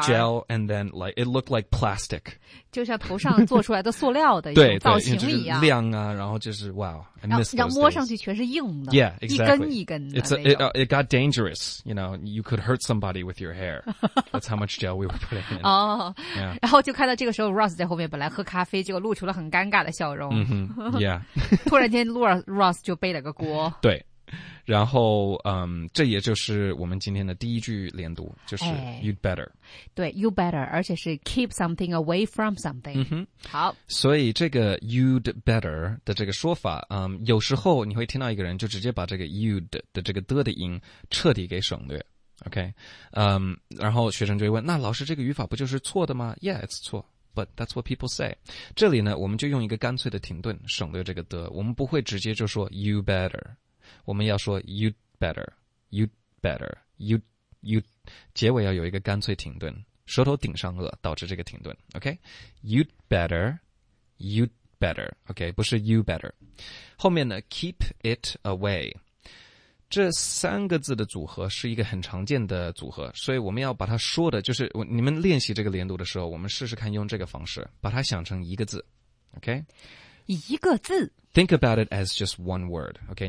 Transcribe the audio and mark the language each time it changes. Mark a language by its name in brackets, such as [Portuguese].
[English] Gel and then like, it looked like plastic. [Chinese] 就像头上做出来的塑料的一种造型一样。亮啊，然后就是 [English] wow, I miss those [Chinese] days. 摸上去全是硬的。 [English] Yeah, exactly. [Chinese] 一根一根的。 [English] It got dangerous, you know, you could hurt somebody with your hair. That's how much gel we were putting in. 哦、oh, yeah. [Chinese] 然后就看到这个时候 Ross 在后面本来喝咖啡结果露出了很尴尬的笑容。 Mm-hmm. Yeah. 突然间Ross 就背了个锅对然后这也就是我们今天的第一句连读就是、哎、 [English] You'd better [Chinese] 对 You better 而且是 keep something away from something、嗯、好所以这个 You'd better 的这个说法、有时候你会听到一个人就直接把这个 You'd 的这个的音彻底给省略 OK、然后学生就会问那老师这个语法不就是错的吗 [English] Yeah it's 错But that's what people say. [Chinese] 这里呢，我们就用一个干脆的停顿，省略这个的。我们不会直接就说 you better， 我们要说 you better， you better. You 结尾要有一个干脆停顿，舌头顶上颚，导致这个停顿。 [English] Okay, you'd better, you'd better. Okay, [Chinese] 不是 [English] you better. [Chinese] 后面呢 [English] ，keep it away。 [Chinese] 这三个字的组合是一个很常见的组合，所以我们要把它说的，就是你们练习这个连读的时候，我们试试看用这个方式把它想成一个字 ，OK？一个字。 [English] Think about it as just one word, OK？